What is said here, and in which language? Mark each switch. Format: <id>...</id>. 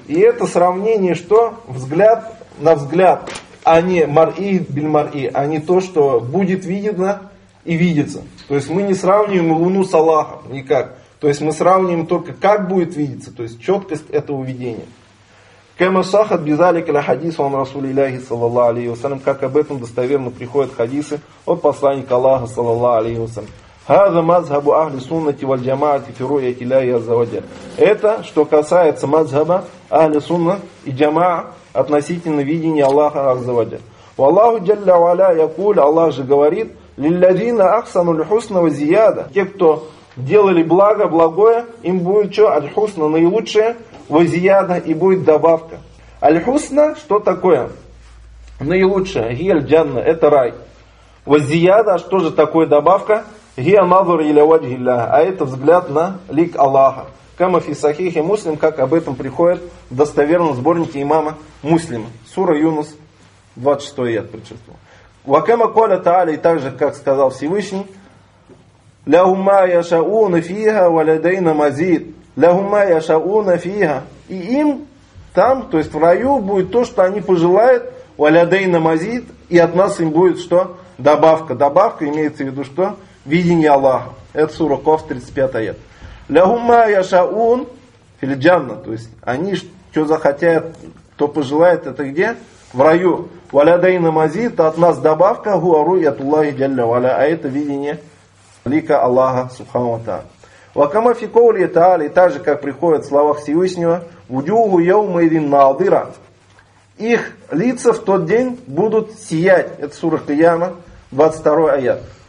<ru>И это сравнение, что взгляд на взгляд, а не мар'ий биль-мар'ий, а не то, что будет видно и видится. То есть мы не сравниваем луну с Аллахом никак. То есть мы сравниваем только, как будет видеться, то есть четкость этого видения.</ru> <ar>كما صحت بذلك الحديث عن رسول الله صلى الله عليه وسلم.</ar> <ru>Как об этом достоверно приходят хадисы от посланника Аллаха</ru> <ar>صلى الله عليه وسلم. هذا مذهب أهل السنة والجماعة في رؤية الله عز وجل.</ar> <ru>Это что касается мазхаба Ахли Сунна и Джамаа относительно видения Аллаха</ru> <ar>عز وجل. والله جل وعلا يقول.</ar> <ru>Аллах же говорит:</ru> <ar>للذين أحسنوا الحسنى وزيادة.</ar> <ru>Те, кто делали благо, благое, им будет что? Аль-хусна, наилучшее. Вазияда, и будет добавка. Аль-хусна, что такое? Наилучшее. Гиль-джанна, это рай. Вазияда, что же такое добавка?</ru> <ar>Гиль-мазур иля-ваджи-илля.</ar> <ru>А это взгляд на лик Аллаха.</ru> <ar>Кама фи сахихи муслим,</ar> <ru>как об этом приходит в достоверном сборнике имама Муслима. Сура Юнус, 26-й аят предшествовал.</ru> <ar>Вакама коля тааля,</ar> <ru>и также, как сказал Всевышний,</ru> <ar>لَهُمْ مَا يَشَاءُونَ فِيهَا</ar> <ru>وَلَدَيْنَا مَزِيدٌ لَهُمْ مَا يَشَاءُونَ فِيهَا. И им там, то есть в раю, будет то, что они пожелают,</ru> <ar>وَلَدَيْنَا مَزِيدٌ,</ar> <ru>и от нас им будет что? Добавка. Добавка имеется в виду что? Видение Аллаха. Это сура Коф, 35 аят.</ru> <ar>لَهُمْ مَا يَشَاءُونَ فِي الْجَنَّةِ.</ar> <ru>То есть они что захотят, то пожелают, это где? В раю.</ru> <ar>وَلَدَيْنَا مَزِيدٌ,</ar> <ru>от нас добавка,</ru> <ar>هُوَ رُؤْيَةُ اللَّهِ جَلَّ وَعَلَى.</ar> <ru>А это видение лика Аллаха Субхану ва Тааля.</ru> <ar>Вакама фи коули тааля,</ar> <ru>так же, как приходит в словах Всевышнего,</ru> <ar>вуджуху яума идзин наадира.</ar> <ru>Их лица в тот день будут сиять. Это сура Кияма, 22 аят.</ru>